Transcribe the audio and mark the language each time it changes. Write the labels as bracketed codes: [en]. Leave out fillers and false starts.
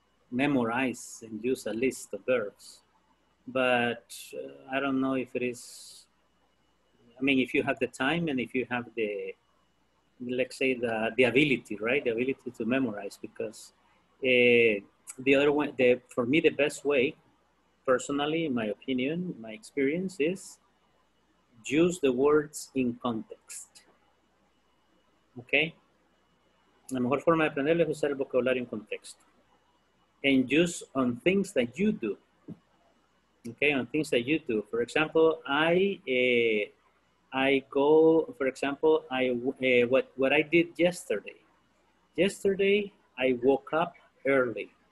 [en] memorize and use a list of verbs. But I don't know if it is, I mean, if you have the time and if you have the, let's say the ability, right? The ability to memorize, because the other way, the, for me, the best way, personally, in my opinion, my experience is use the words in context, okay? [es] La mejor forma de aprender es usar el vocabulario en contexto. [en] And use on things that you do, okay? On things that you do. For example, what I did yesterday. Yesterday, I woke up early.